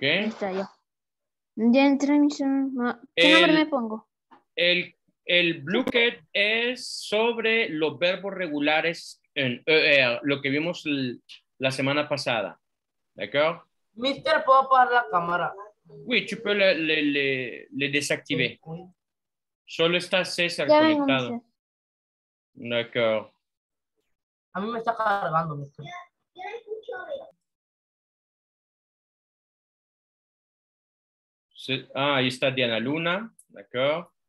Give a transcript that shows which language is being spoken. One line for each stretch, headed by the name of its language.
Spanish: Ahí está ya. Ya entré, mi son... ¿Qué el, nombre me pongo? El Blocket es sobre los verbos regulares en ER, lo que vimos la semana pasada. ¿De acuerdo? Mister, ¿puedo apagar la cámara?
French: Oui, tu peux le desactiver.
Spanish: Solo está César ya conectado. De acuerdo. A mí me está cargando, mister. Ah, ahí está Diana Luna. De acuerdo.